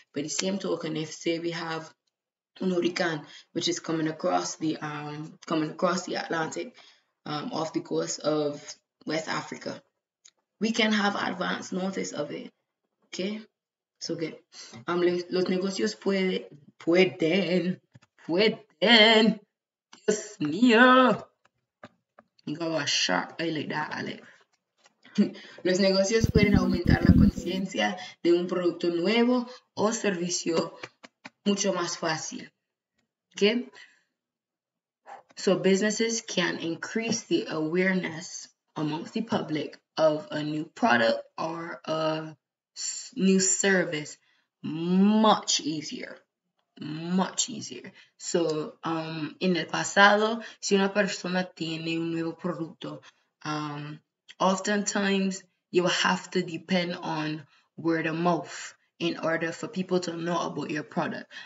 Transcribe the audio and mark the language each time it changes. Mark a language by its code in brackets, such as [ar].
[en] But the same token, if say we have an hurricane which is coming across the Atlantic off the coast of West Africa, we can have advance notice of it. Okay? So good. [es] Los negocios pueden. Dios mío. [en] You got a shark eye like that, Alex. [es] Los negocios pueden aumentar la conciencia de un producto nuevo o servicio mucho más fácil. [en] Okay? So businesses can increase the awareness amongst the public of a new product or a new service much easier. Much easier. So, [es] en el pasado, si una persona tiene un nuevo producto, [en] oftentimes you will have to depend on word of mouth in order for people to know about your product.